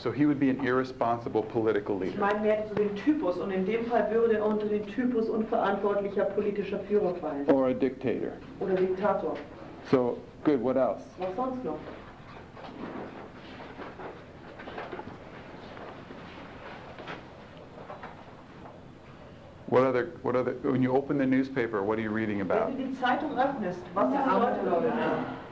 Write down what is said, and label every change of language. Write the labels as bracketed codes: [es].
[en] So he would be an irresponsible political leader. [de] Ich meine mehr so den Typus, und in dem Fall würde er unter den Typus unverantwortlicher politischer Führer fallen. [en] Or a dictator. [de] Oder Diktator. [en] So, good, what else? [de] Was sonst noch? [en] What other, when you open the newspaper, what are you reading about? [de] Wenn du die Zeitung öffnest, was sind die Leute darüber?